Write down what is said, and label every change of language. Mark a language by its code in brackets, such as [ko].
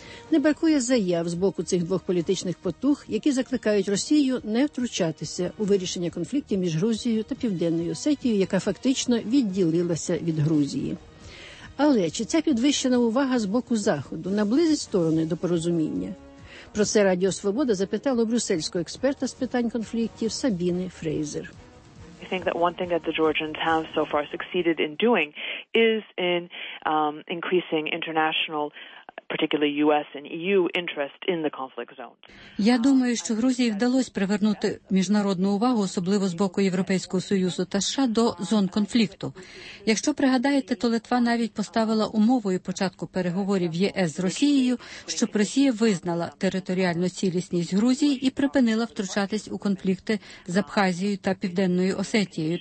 [uk] Не бракує заяв з боку цих двох політичних потуг, які закликають Росію не втручатися у вирішення конфліктів між Грузією та Південною Осетією, яка фактично відділилася від Грузії. Але чи ця підвищена увага з боку Заходу наблизить сторони до порозуміння? Про це Радіо Свобода запитало брюссельського експерта з питань конфліктів Сабіни Фрейзер. [en] I think that one thing that the Georgians have so far succeeded in doing is in increasing international, particularly US and EU, interest in the conflict zone. [uk] Я думаю, що Грузії вдалося привернути міжнародну увагу, особливо з боку Європейського Союзу та США, до зон конфлікту. Якщо пригадаєте, то Литва навіть поставила умовою початку переговорів ЄС з Росією, щоб Росія визнала територіальну цілісність Грузії і припинила втручатись у конфлікти з Абхазією та Південною Осетією.